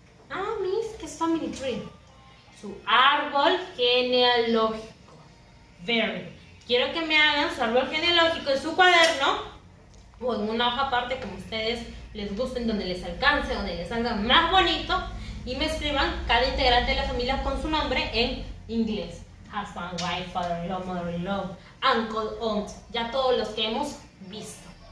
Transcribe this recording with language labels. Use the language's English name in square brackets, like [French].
[Spanish] Ah, Miss, ¿qué es Family Tree? Su árbol genealógico. Very. Quiero que me hagan su árbol genealógico en su cuaderno o en una hoja aparte como ustedes les gusten, donde les alcance, donde les salga más bonito, y me escriban cada integrante de la familia con su nombre en inglés. [English] Husband, wife, father-in-law, mother-in-law, uncle, aunt. [Spanish] Ya todos los que hemos visto.